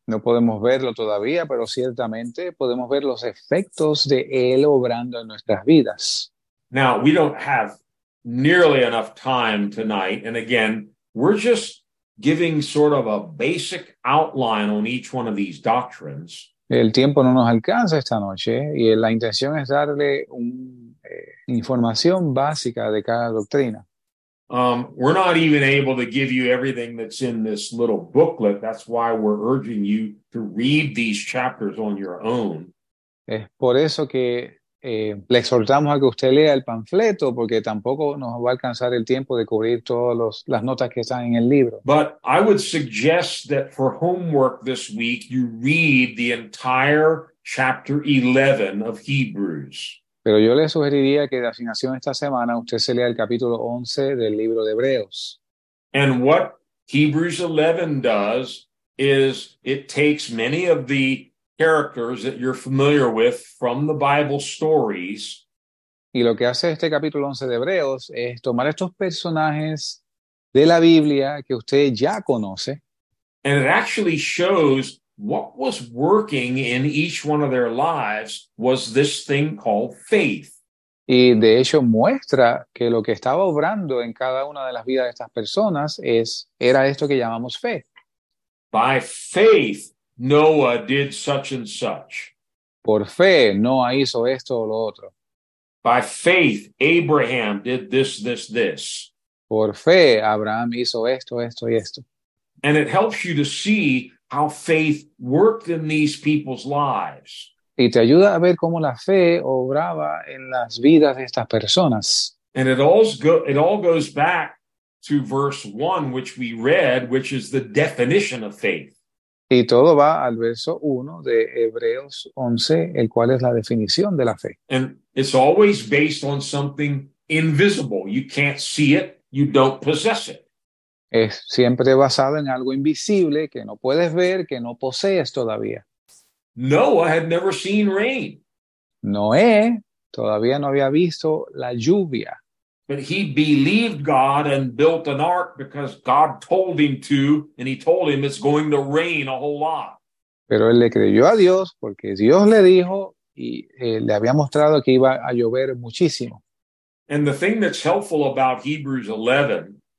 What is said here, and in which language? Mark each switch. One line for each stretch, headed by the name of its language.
Spanish: No podemos verlo todavía, pero ciertamente podemos ver los efectos de él obrando en nuestras vidas.
English: Now, we don't have nearly enough time tonight, and again, we're just giving sort of a basic outline on each one of these doctrines.
Spanish: El tiempo no nos alcanza esta noche y la intención es darle información básica de cada doctrina.
English: We're not even able to give you everything that's in this little booklet. That's why we're urging you to read these chapters on your own.
Spanish: Es por eso que le exhortamos a que usted lea el panfleto, porque tampoco nos va a alcanzar el tiempo de cubrir todas las notas que están en el libro.
English: But I would suggest that for homework this week, you read the entire chapter 11 of Hebrews.
Spanish: Pero yo le sugeriría que de asignación esta semana usted se lea el capítulo 11 del libro de Hebreos.
English: And what Hebrews 11 does is it takes many of the characters that you're familiar with from the Bible stories.
Spanish: Y lo que hace este capítulo 11 de Hebreos es tomar estos personajes de la Biblia que usted ya conoce.
English: And it actually shows what was working in each one of their lives was this thing called faith.
Spanish: Y de hecho muestra que lo que estaba obrando en cada una de las vidas de estas personas era esto que llamamos fe.
English: By faith, Noah did such and such.
Spanish: Por fe, Noah hizo esto o lo otro.
English: By faith, Abraham did this, this, this.
Spanish: Por fe, Abraham hizo esto, esto y esto.
English: And it helps you to see how faith worked in these people's lives.
Spanish: Y te ayuda a ver cómo la fe obraba en las vidas de estas personas.
English: And it all goes back to verse 1, which we read, which is the definition of faith.
Spanish: Y todo va al verso 1 de Hebreos 11, el cual es la definición de la fe.
English: And it's always based on something invisible. You can't see it, you don't possess it.
Spanish: Es siempre basado en algo invisible que no puedes ver, que no posees todavía.
English: Noah had never seen rain.
Spanish: Noé todavía no había visto la lluvia.
English: But he believed God and built an ark because God told him to, and he told him it's going to rain a whole lot.
Spanish: Pero él le creyó a Dios porque Dios le dijo y le había mostrado que iba a llover muchísimo.
English: And the thing that's helpful about Hebrews 11,